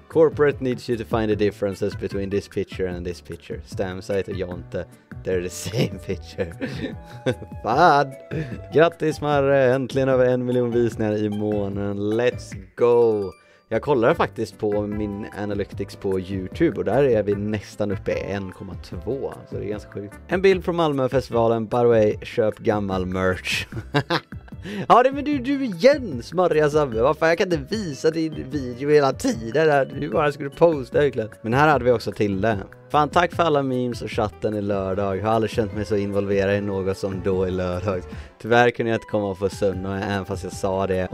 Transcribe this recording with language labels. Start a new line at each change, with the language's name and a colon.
English: Corporate needs you to find the differences between this picture and this picture. Stamsite och Jonte. They're the same picture.
Swedish: Fan. Grattis Marre. Äntligen över 1 miljon visningar i månaden.
English: Let's go.
Swedish: Jag kollade faktiskt på min analytics på YouTube. Och där är vi nästan uppe i 1,2. Så det är ganska sjukt. En bild från Malmöfestivalen.
English: By the way,
Swedish: köp gammal merch. Ja, det men du igen, smarriga samme. Varför jag kan inte visa din video hela tiden där. Du bara skulle posta verkligen. Men här hade vi också till det. Fan, tack för alla memes och chatten i lördag. Jag har aldrig känt mig så involverad i något som då i lördag. Tyvärr kunde jag inte komma på söndag än fast jag sa det.